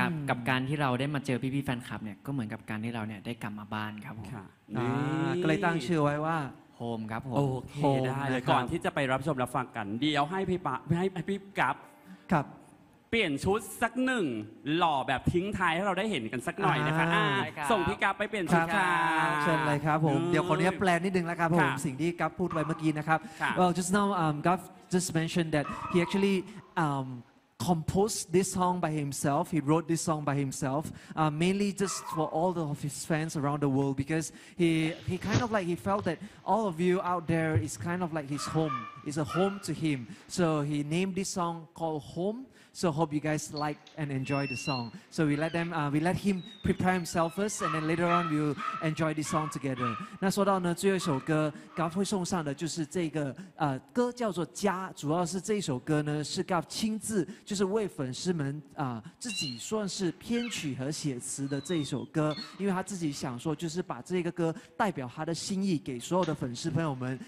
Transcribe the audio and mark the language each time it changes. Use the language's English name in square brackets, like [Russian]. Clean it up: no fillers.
[Thai] กับการที่เราได้มาเจอพี่ๆแฟนคลับเนี่ยก็เหมือนกับการที่เราเนี่ยได้กลับมาบ้านครับผม ก็เลยตั้งชื่อไว้ว่า โฮมครับผม โอเคได้เลยก่อนที่จะไปรับชมรับฟังกันเดี๋ยวให้พี่กับ ครับ เปลี่ยนชุดสักหนึ่งหล่อแบบทิ้งท้ายให้เราได้เห็นกันสักหน่อยนะคะส่งพี่กับไปเปลี่ยนชุดค่ะ เชิญเลยครับผมเดี๋ยวคนนี้แปลนิดนึงแล้วครับผมสิ่งที่กับพูดไปเมื่อกี้นะครับ [English] Well just now Garth just mentioned that he actually composed this song by himself he wrote this song by himself mainly just for all of his fans around the world because he kind of like he felt that all of you out there is kind of like his home is a home to him so he named this song called HomeSo hope you guys like and enjoy the song. So we let him prepare himself first, and then later on we'll enjoy this song together. [Chinese] 那说到呢，最后一首歌，Garth会送上的就是这个歌叫做《家》，主要是这一首歌呢是Garth亲自就是为粉丝们自己算是编曲和写词的这一首歌，因为他自己想说就是把这个歌代表他的心意给所有的粉丝朋友们。